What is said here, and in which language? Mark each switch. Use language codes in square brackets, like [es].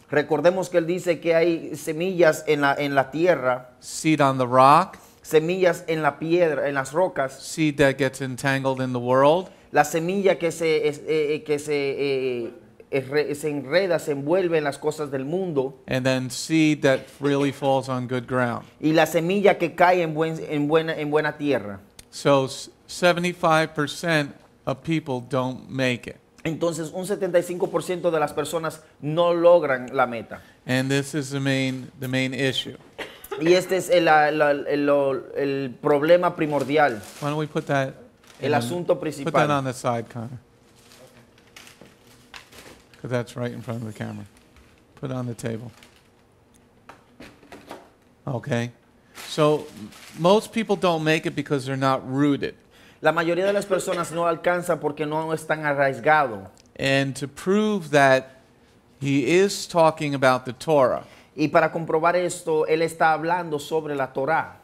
[es] Recordemos que él dice que hay semillas en la tierra. [en] Seed on the rock. [es] Semillas en la piedra, en las rocas. [en] Seed that gets entangled in the world. [es] La semilla que se enreda, se envuelve en las cosas del mundo. [en] And then seed that really falls on good ground. [es] Y la semilla que cae en buena tierra. [en] So 75% of people don't make it. [es] Entonces, un 75% de las personas no logran la meta. [en] And this is the main issue. [es] Y este es el problema primordial. [en] Why don't we put that [es] asunto principal. [en] Put that on the side, Connor. Because that's right in front of the camera. Put it on the table. Okay. So, most people don't make it because they're not rooted. [es] La mayoría de las personas no alcanzan porque no están arraigados. [en] And to prove that he is talking about the Torah. [es] Y para comprobar esto, él está hablando sobre la Torah.